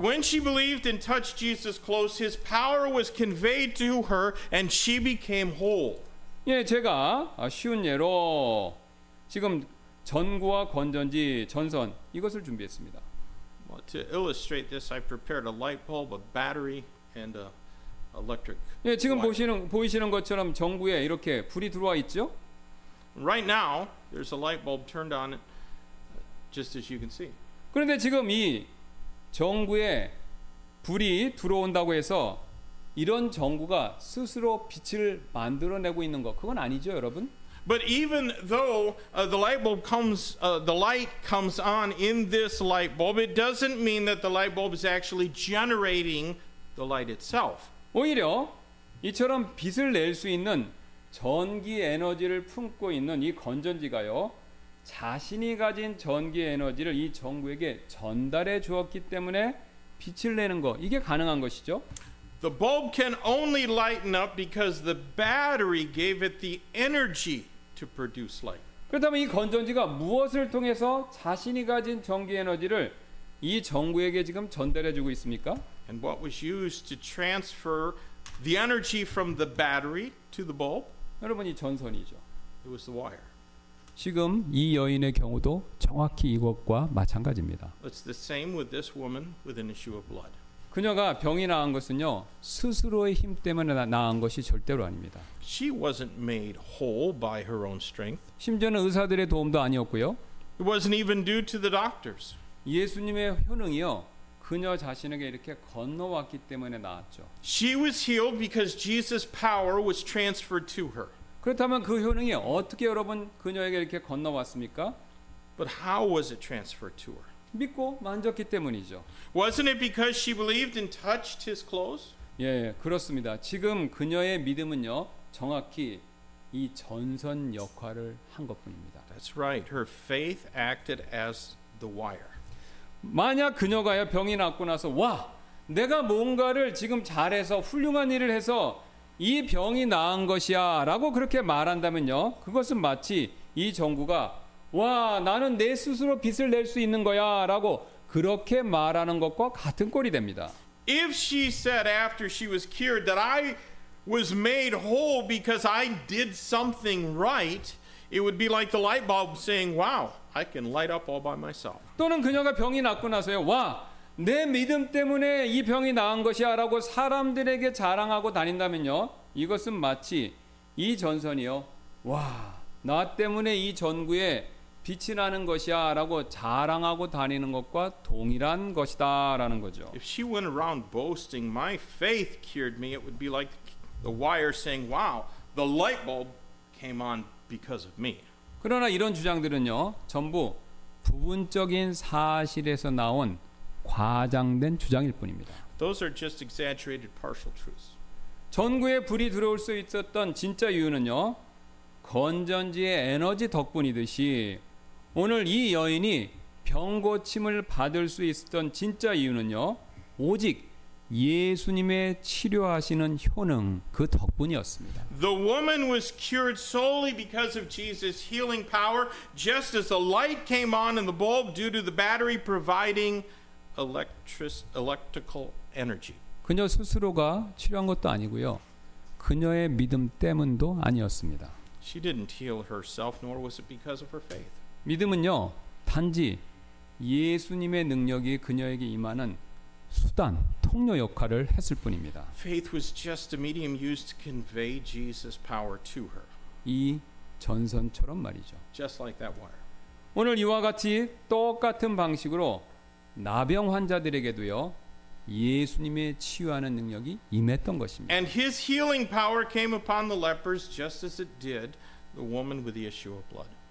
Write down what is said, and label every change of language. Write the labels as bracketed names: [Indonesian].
[English] When she believed and touched Jesus' clothes, his power was conveyed to her and she became whole. [Korean] 예, 제가 쉬운 예로 지금 전구와 건전지, 전선 이것을 준비했습니다. [English] Well, to illustrate this, I prepared a light bulb, a battery and a electric. [Korean] 예, 지금 보이시는 것처럼 전구에 이렇게 불이 들어와 있죠? [English] Right now, there's a light bulb turned on. Just as you can see. [Korean] 그런데 지금 이 전구에 불이 들어온다고 해서 이런 전구가 스스로 빛을 만들어내고 있는 것 그건 아니죠, 여러분? [English] But even though the light comes on in this light bulb, it doesn't mean that the light bulb is actually generating the light itself. [Korean] 오히려 이처럼 빛을 낼 수 있는 전기 에너지를 품고 있는 이 건전지가요. 자신이 가진 전기 에너지를 이 전구에게 전달해 주었기 때문에 빛을 내는 거 이게 가능한 것이죠. [English] The bulb can only lighten up because the battery gave it the energy to produce light. [Korean] 그렇다면 이 건전지가 무엇을 통해서 자신이 가진 전기 에너지를 이 전구에게 지금 전달해 주고 있습니까? [English] And what was used to transfer the energy from the battery to the bulb? [Korean] 여러분 이 전선이죠. [English] It was the wire. [Korean] 지금 이 여인의 경우도 정확히 이것과 마찬가지입니다. [English] It's the same with this woman with an issue of blood. [Korean] 그녀가 병이 나은 것은요 스스로의 힘 때문에 나은 것이 절대로 아닙니다. [English] She wasn't made whole by her own strength. [Korean] 심지어는 의사들의 도움도 아니었고요. [English] It wasn't even due to the doctors. [Korean] 예수님의 효능이요 그녀 자신에게 이렇게 건너왔기 때문에 나았죠. [English] She was healed because Jesus' power was transferred to her. [Korean] 그렇다면 그 효능이 어떻게 여러분 그녀에게 이렇게 건너왔습니까? [English] But how was it transferred to her? [Korean] 믿고 만졌기 때문이죠. [English] Wasn't it because she believed and touched his clothes? [Korean] 예, 그렇습니다. 지금 그녀의 믿음은요, 정확히 이 전선 역할을 한 것뿐입니다. [English] That's right. Her faith acted as the wire. [Korean] 만약 그녀가요 병이 낫고 나서 와, 내가 뭔가를 지금 잘해서 훌륭한 일을 해서 이 병이 나은 것이야 라고 그렇게 말한다면요 그것은 마치 이 전구가 와 나는 내 스스로 빛을 낼 수 있는 거야 라고 그렇게 말하는 것과 같은 꼴이 됩니다. [English] If she said after she was cured that I was made whole because I did something right, it would be like the light bulb saying, wow, I can light up all by myself. [Korean] 또는 그녀가 병이 낫고 나서요 와 내 믿음 때문에 이 병이 나은 것이야 라고 사람들에게 자랑하고 다닌다면요 이것은 마치 이 전선이요 와 나 때문에 이 전구에 빛이 나는 것이야 라고 자랑하고 다니는 것과 동일한 것이다 라는 거죠. [English] If she went around boasting my faith cured me, it would be like the wire saying, wow, the light bulb came on because of me. [Korean] 그러나 이런 주장들은요 전부 부분적인 사실에서 나온 과장된 주장일 뿐입니다. [English] Those are just exaggerated partial truths. [Korean] 전구에 불이 들어올 수 있었던 진짜 이유는요, 건전지의 에너지 덕분이듯이 오늘 이 여인이 병고침을 받을 수 있었던 진짜 이유는요, 오직 예수님의 치료하시는 효능 그 덕분이었습니다. [English] The woman was cured solely because of Jesus' healing power, just as the light came on in the bulb due to the battery providing electrical energy. [Korean] 그녀 스스로가 치료한 것도 아니고요. 그녀의 믿음 때문도 아니었습니다. [English] She didn't heal herself nor was it because of her faith. [Korean] 믿음은요, 단지 예수님의 능력이 그녀에게 임하는 수단, 통로 역할을 했을 뿐입니다. [English] Faith was just a medium used to convey Jesus' power to her. [Korean] 이 전선처럼 말이죠. [English] Just like that wire. [Korean] 오늘 이와 같이 똑같은 방식으로 나병 환자들에게도요, 예수님의 치유하는 능력이 임했던 것입니다. [English] And his healing power came upon the lepers just as it did the woman with the issue of blood.